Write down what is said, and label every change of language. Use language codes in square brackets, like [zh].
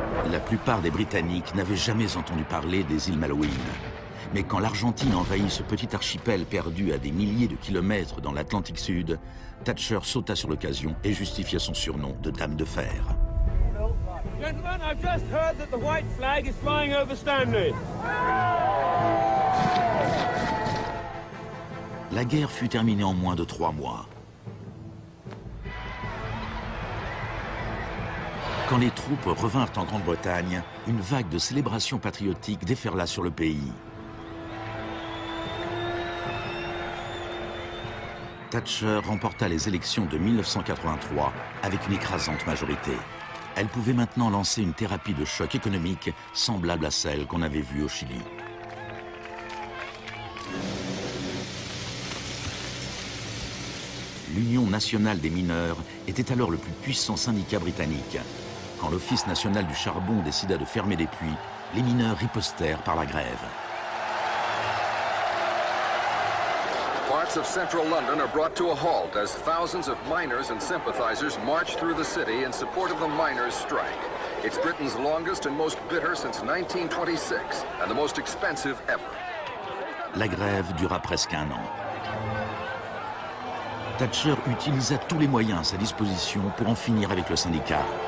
[fr] La plupart des Britanniques n'avaient jamais entendu parler des îles Malouines. Mais quand l'Argentine envahit ce petit archipel perdu à des milliers de kilomètres dans l'Atlantique Sud, Thatcher sauta sur l'occasion et justifia son surnom de Dame de Fer. [en] Gentlemen, I've just heard that the white flag is flying over Stanley. [fr] La guerre fut terminée en moins de trois mois. Quand les troupes revinrent en Grande-Bretagne, une vague de célébrations patriotiques déferla sur le pays. Thatcher remporta les élections de 1983 avec une écrasante majorité. Elle pouvait maintenant lancer une thérapie de choc économique semblable à celle qu'on avait vue au Chili. L'Union nationale des mineurs était alors le plus puissant syndicat britannique. Quand l'Office national du charbon décida de fermer les puits, les mineurs ripostèrent par la grève. [en] Parts of central London are brought to a halt as thousands of miners and sympathizers march through the city in support of the miners' strike. It's Britain's longest and most bitter since 1926 and the most expensive ever. [fr] La grève dura presque un an. Thatcher utilisa tous les moyens à sa disposition pour en finir avec le syndicat.